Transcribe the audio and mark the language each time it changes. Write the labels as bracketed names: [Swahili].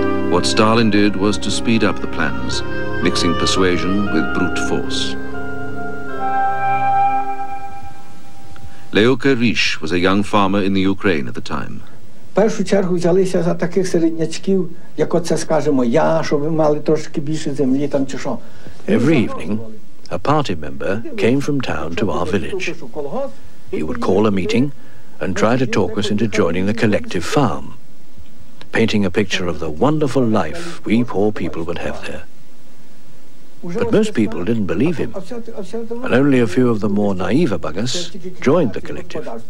[English] What Stalin did was to speed up the plans, mixing persuasion with brute force. Leoka Rish was a young farmer in the Ukraine at the time. [Ukrainian] Першу чергу взялися за таких середнячків, як оце, скажімо, я, щоб ви мали трошки більше землі там чи що. [English] Every evening, a party member came from town to our village. He would call a meeting and try to talk us into joining the collective farm, painting a picture of the wonderful life we poor people would have there. But most people didn't believe him, and only a few of the more naive among us joined the collective.